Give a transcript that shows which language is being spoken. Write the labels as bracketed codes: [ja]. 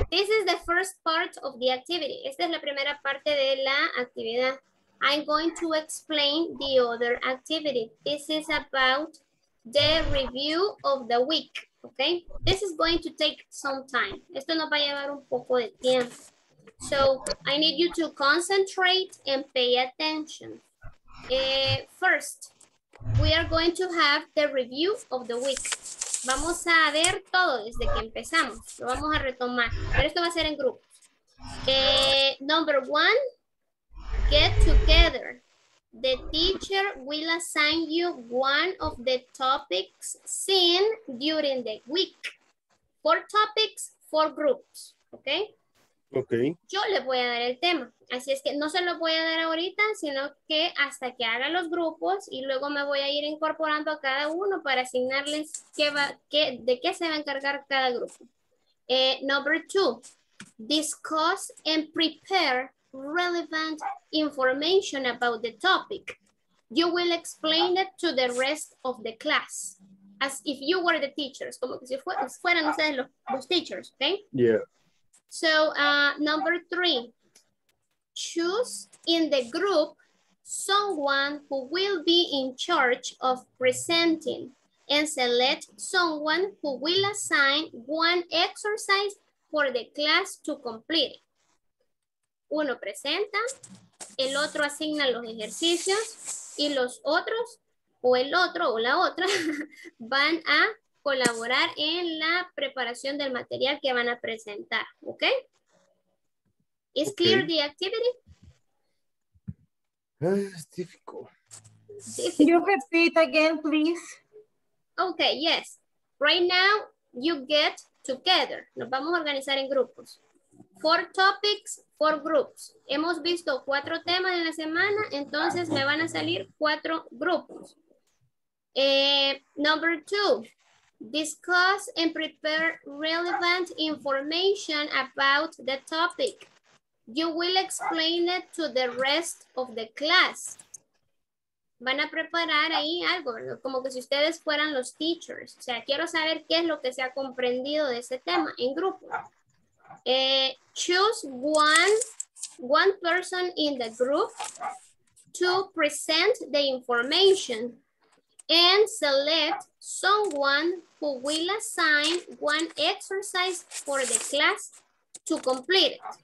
[en] This is the first part of the activity. [es] Esta es la primera parte de la actividad. [en] I'm going to explain the other activity. This is about the review of the week, okay? This is going to take some time. [es] Esto nos va a llevar un poco de tiempo. [en] So I need you to concentrate and pay attention. First, we are going to have the review of the week. [es] Vamos a ver todo desde que empezamos. Lo vamos a retomar, pero esto va a ser en grupo. [en] Number one, get together. The teacher will assign you one of the topics seen during the week. Four topics, four groups. Okay. Okay. [es] Yo le voy a dar el tema. Así es que no se lo voy a dar ahorita, sino que hasta que haga los grupos y luego me voy a ir incorporando a cada uno para asignarles de qué se va a encargar cada grupo. [en] Number two, discuss and prepare relevant information about the topic. You will explain it to the rest of the class as if you were the teachers, [es] como que si fueran ustedes los teachers, [en] okay? Yeah. So, number three, choose in the group someone who will be in charge of presenting and select someone who will assign one exercise for the class to complete. [es] Uno presenta, el otro asigna los ejercicios y los otros, o el otro o la otra, van a colaborar en la preparación del material que van a presentar. ¿Ok? ¿Es [en] clear the activity? [es] Es difícil. [en] You repeat again, please. Okay, yes. Right now, you get together. [es] Nos vamos a organizar en grupos. [en] Four topics, four groups. [es] Hemos visto cuatro temas en la semana, entonces me van a salir cuatro grupos. [en] Number two, discuss and prepare relevant information about the topic. You will explain it to the rest of the class. [es] Van a preparar ahí algo, ¿no? Como que si ustedes fueran los teachers. O sea, quiero saber qué es lo que se ha comprendido de ese tema en grupo. [en] Choose one person in the group to present the information and select someone who will assign one exercise for the class to complete it.